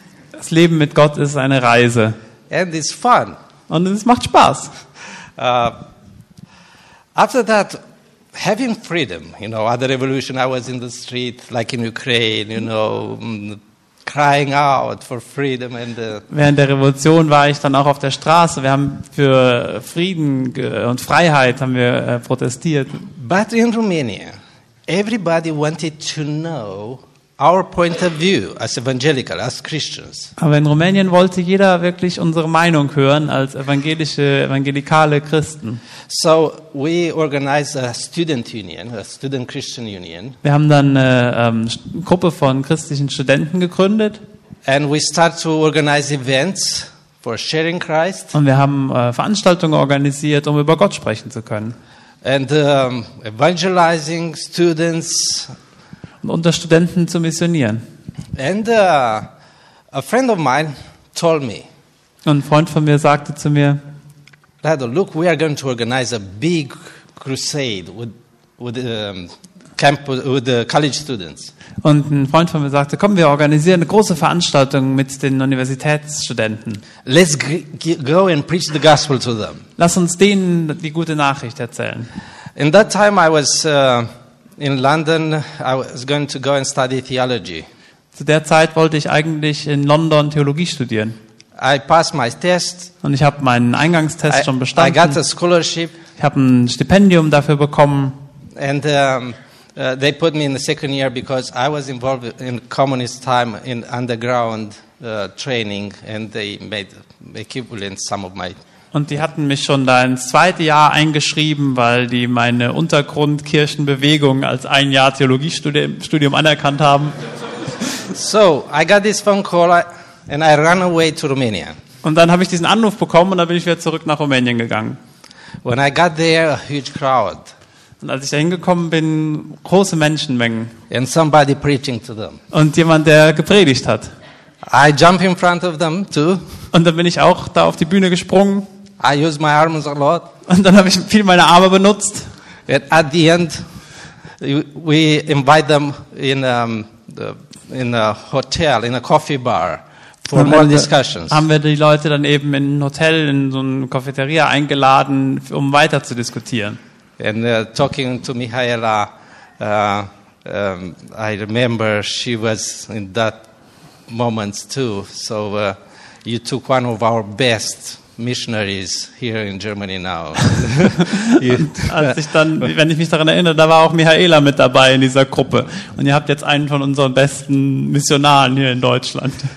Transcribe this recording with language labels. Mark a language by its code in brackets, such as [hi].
[de] Das Leben mit Gott ist eine Reise. [en] And it's fun. [de] Und es macht Spaß. [en] After that, having freedom, you know, at the revolution, I was in the street, like in Ukraine, you know, crying out for freedom. And [de] während der Revolution war ich dann auch auf der Straße. Wir haben für Frieden und Freiheit haben wir protestiert. [en] But in Romania. Everybody wanted to know our point of view as evangelical, as Christians. [de] Aber in Rumänien wollte jeder wirklich unsere Meinung hören als evangelikale Christen. [en] So we organized a student union, a student Christian union. [de] Wir haben dann eine Gruppe von christlichen Studenten gegründet. [en] And we start to organize events for sharing Christ. [de] Und wir haben Veranstaltungen organisiert, um über Gott sprechen zu können. [en] And evangelizing students [de] und unter Studenten zu missionieren. [en] And a friend of mine told me. [de] Und ein Freund von mir sagte zu mir, [en] Lado, look, we are going to organize a big crusade with the college students. [de] Und ein Freund von mir sagte, komm, wir organisieren eine große Veranstaltung mit den Universitätsstudenten. [en] Let's go and preach the gospel to them. [de] Lass uns denen die gute Nachricht erzählen. [en] In that time I was in London, I was going to go and study theology. [de] Zu der Zeit wollte ich eigentlich in London Theologie studieren. [en] I passed my test. [de] Und ich habe meinen Eingangstest schon bestanden. [en] I got a scholarship. [de] Ich habe ein Stipendium dafür bekommen. [en] And they put me in the second year because I was involved in communist time in underground training and they made equivalent some of my. [de] Und die hatten mich schon da ins zweite Jahr eingeschrieben, weil die meine Untergrundkirchenbewegung als ein Jahr Theologiestudium anerkannt haben. [en] So, I got this phone call and I ran away to Romania. [de] Und dann habe ich diesen Anruf bekommen und dann bin ich wieder zurück nach Rumänien gegangen. [en] When I got there, a huge crowd. [de] Und als ich da hingekommen bin, große Menschenmengen. [en] And somebody preaching to them. [de] Und jemand, der gepredigt hat. [en] I jump in front of them too. [de] Und dann bin ich auch da auf die Bühne gesprungen. [en] I use my arms a lot. [de] Und dann habe ich viel meine Arme benutzt. [en] And at the end, we invite them in a hotel, in a coffee bar. For more discussions. [de] Haben wir die Leute dann eben in ein Hotel, in so eine Cafeteria eingeladen, um weiter zu diskutieren. [en] And talking to Mihaela, I remember she was in that moment too. So you took one of our best missionaries here in Germany now. [de] wenn ich mich daran erinnere, da war auch Michaela mit dabei in dieser Gruppe. Und ihr habt jetzt einen von unseren besten Missionaren hier in Deutschland.